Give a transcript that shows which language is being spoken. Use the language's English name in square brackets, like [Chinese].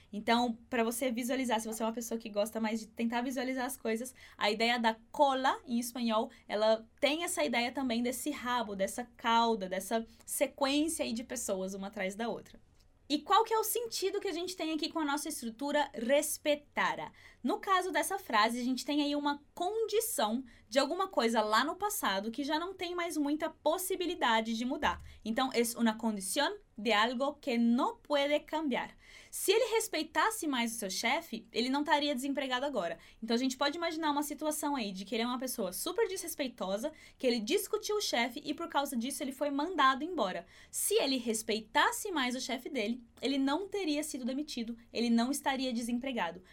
[Portuguese] Então, para você visualizar, se você é uma pessoa que gosta mais de tentar visualizar as coisas, a ideia da cola, em espanhol, ela tem essa ideia também desse rabo, dessa cauda, dessa sequência aí de pessoas, uma atrás da outra. E qual que é o sentido que a gente tem aqui com a nossa estrutura respetara? No caso dessa frase, a gente tem aí uma condição de alguma coisa lá no passado que já não tem mais muita possibilidade de mudar. Então, [Spanish] es una condición de algo que no puede cambiar. [Portuguese] Se ele respeitasse mais o seu chefe, ele não estaria desempregado agora. Então, a gente pode imaginar uma situação aí de que ele é uma pessoa super desrespeitosa, que ele discutiu o chefe e, por causa disso, ele foi mandado embora. Se ele respeitasse mais o chefe dele, ele não teria sido demitido, ele não estaria desempregado.